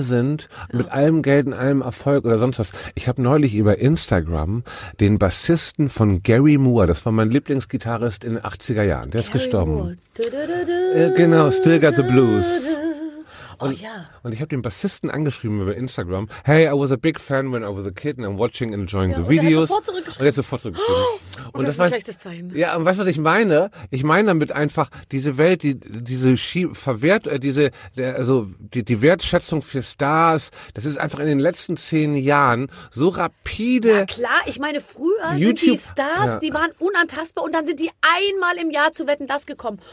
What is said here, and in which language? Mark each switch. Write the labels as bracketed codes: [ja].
[de] sind, ja, mit allem Geld und allem Erfolg oder sonst was. Ich habe neulich über Instagram den Bassisten von Gary Moore, das war mein Lieblingsgitarrist in den 80er Jahren, der ist gestorben. Genau, Still Got the Blues. Und, oh, yeah, und ich habe den Bassisten angeschrieben über Instagram. [en] Hey, I was a big fan when I was a kid and I'm watching and enjoying the videos. [de] Und jetzt sofort zurückgeschrieben. Und das ist ein schlechtes Zeichen. Ja, und weißt du, was ich meine? Ich meine damit einfach diese Welt, die Wertschätzung für Stars. Das ist einfach in den letzten 10 Jahren so rapide. Ja, klar, ich meine, früher YouTube, sind die Stars, ja, die waren unantastbar und dann sind die einmal im Jahr zu Wetten, das gekommen.